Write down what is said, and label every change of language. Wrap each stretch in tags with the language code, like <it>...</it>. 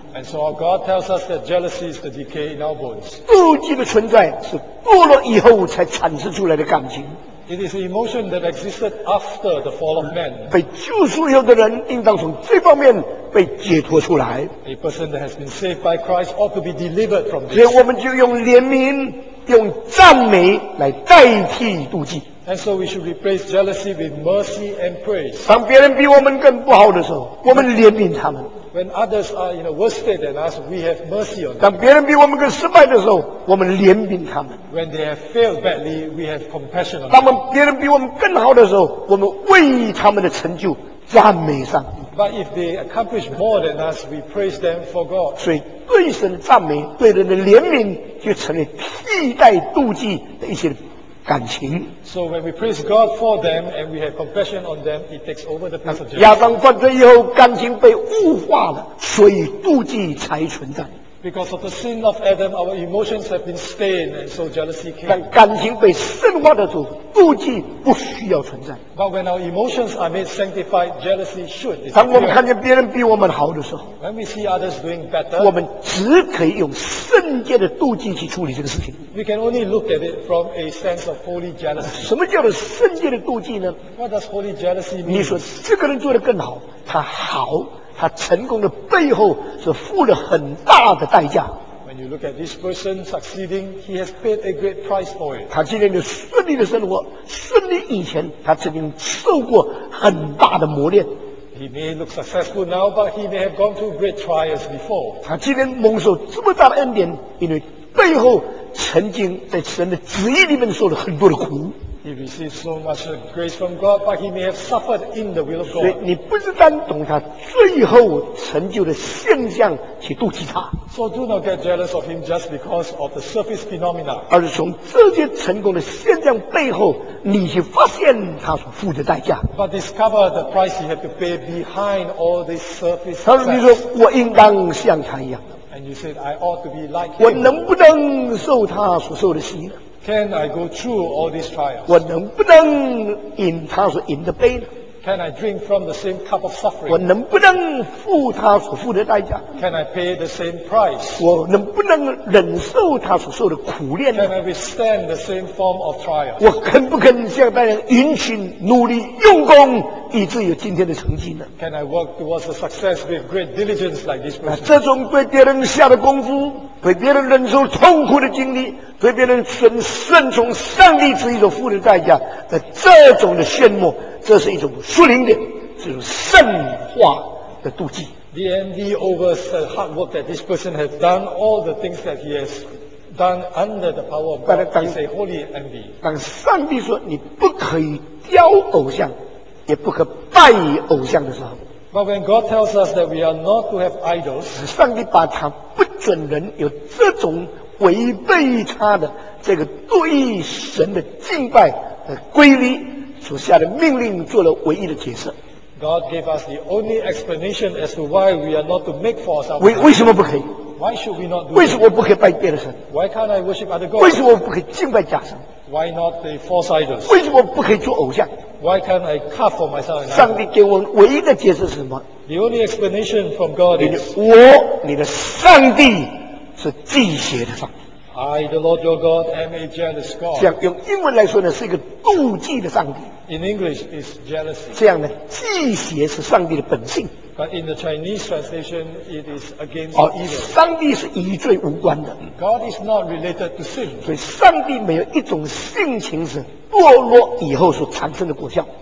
<en>And so our God tells us that jealousy is the decay in our bones.</en> <zh>妒忌的存在是堕落以后才产生出来的感情。</zh> <en>It is an emotion that existed after the fall of man.</en> <zh>被救赎以后的人应当从这方面被解脱出来。</zh> <en>A person that has been saved by Christ ought to be delivered from this.</en> <zh>所以我们就用怜悯、用赞美来代替妒忌。</zh> <en>And so we should replace jealousy with mercy and praise.</en> <zh>当别人比我们更不好的时候，我们怜悯他们。</zh> <en>When others are in a worse state than us, we have mercy on them.</en> <zh>当别人比我们更失败的时候，我们怜悯他们。</zh> <en>When they have failed badly, we have compassion on them.</en> <zh>当别人比我们更好的时候，我们为他们的成就赞美上帝。</zh> <en>But if they accomplish more than us, we praise them for God.</en> <zh>所以对神的赞美，对人的怜悯，就成了替代妒忌的一些感情。</zh> <en>So when we praise God for them and we have compassion on them, it takes over the place of jealousy.</en> <zh>亚当犯罪以后，感情被物化了，所以妒忌才存在。</zh> <en>Because of the sin of Adam, our emotions have been stained, and so jealousy came.</en> <zh>但感情被圣化的时候，妒忌不需要存在。</zh> <en>But when our emotions are made sanctified, jealousy should.</en> <zh>当我们看见别人比我们好的时候</zh> <en>，When we see others doing better,</en> <zh>我们只可以用圣洁的妒忌去处理这个事情。</zh> <en>We can only look at it from a sense of holy jealousy.</en> <zh>什么叫做圣洁的妒忌呢</zh> <en>？What does holy jealousy mean?</en> <zh>你说这个人做得更好，他好。他成功的背后是付了很大的代价。</zh> <en>When you look at this person succeeding, he has paid a great price for it.</en> <zh>他今天的顺利的生活，顺利以前他曾经受过很大的磨练。</zh> <en>He may look successful now, but he may have gone through great trials before.</en> <zh>他今天蒙受这么大的恩典，因为背后曾经在神的旨意里面受了很多的苦。</zh> <en>He received so much grace from God, but he may have suffered in the will of God.</en> <zh>所以你不是单懂他最后成就的现象去妒忌他。</zh> <en>So do not get jealous of him just because of the surface phenomena.</en> <zh>而是从这些成功的现象背后，你去发现他所付的代价。</zh> <en>But discover the price he had to pay behind all this surface.</en> <zh>他说：“你说我应当像他一样。”</zh> <en>And you said, "I ought to be like him."</en> <zh>我能不能受他所受的刑？</zh> <en>Can I go through all these trials?</en> <zh>我能不能饮他所饮的杯呢</zh> <en>？Can I drink from the same cup of suffering?</en> <zh>我能不能付他所付的代价</zh> <en>？Can I pay the same price?</en> <zh>我能不能忍受他所受的苦练呢</zh> <en>？Can I withstand the same form of trial?</en> <zh>我肯不肯像那样殷勤努力用功，以致有今天的成绩呢</zh> <en>？Can I work towards a success with great diligence like this person?</en> <zh>这种对别人下的功夫，对别人忍受痛苦的经历。对别人顺从上帝旨意所付的代价的这种的炫目，这是一种属灵的，这种圣化的妒忌。</zh> <en>The envy over the hard work that this person has done, all the things that he has done under the power of God is a holy envy.</en> <zh>当上帝说你不可以雕偶像，也不可拜偶像的时候</zh> <en>，But when God tells us that we are not to have idols，</en> <zh>上帝把他不准人有这种。违背他的这个对神的敬拜的规律所下的命令做了唯一的解释</zh> <en>God gave us the only explanation as to why we are not to make for ourselves</en> <zh>为什么不可以</zh> <en>Why should we not do</en> <zh>为什么不可以拜别的神</zh> <en>Why can't I worship other gods</en> <zh>为什么不可以敬拜假神</zh> <en>Why not the false idols</en> <zh>为什么不可以做偶像</zh> <en>Why can't I carve for myself</en> <zh>上帝给我们唯一的解释是什么</zh> <en>The only explanation from God is</en> <zh>你的上帝是忌邪的上帝。</zh> <en>I, the Lord your God, am a jealous God.</en> <zh>这样用英文来说呢，是一个妒忌的上帝。</zh> <en>In English, is jealousy.</en> <zh>这样呢，忌邪是上帝的本性。</zh> <en>But in the Chinese translation, it is against evil.</en> <zh>上帝是与罪无关的。</zh> <en>God is not related to sin.</en> <zh>所以上帝没有一种性情是堕落以后所产生的果效。</zh>